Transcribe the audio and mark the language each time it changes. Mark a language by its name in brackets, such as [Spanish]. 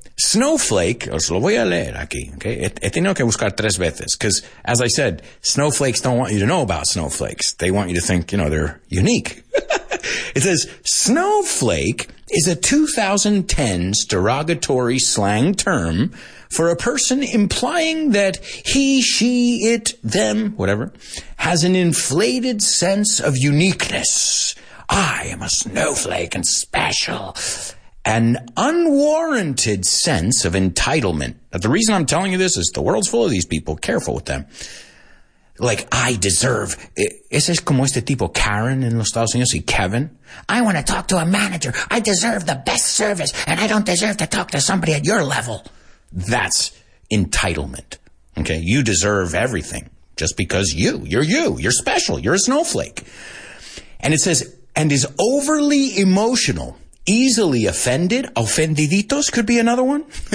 [Spanish] Snowflake, os lo voy a leer aquí, okay? He tenido que buscar tres veces, [English] because, as I said, snowflakes don't want you to know about snowflakes. They want you to think, you know, they're unique. It says, snowflake is a 2010s derogatory slang term for a person implying that he, she, it, them, whatever, has an inflated sense of uniqueness. I am a snowflake and special. An unwarranted sense of entitlement. Now, the reason I'm telling you this is the world's full of these people. Careful with them. Like, I deserve. [Spanish] Ese es como este tipo, Karen en los Estados Unidos, y Kevin. [English] I want to talk to a manager. I deserve the best service, and I don't deserve to talk to somebody at your level. That's entitlement. Okay? You deserve everything just because you're special. You're a snowflake. And it says, and is overly emotional. Easily offended, [Spanish] ofendiditos [English] could be another one.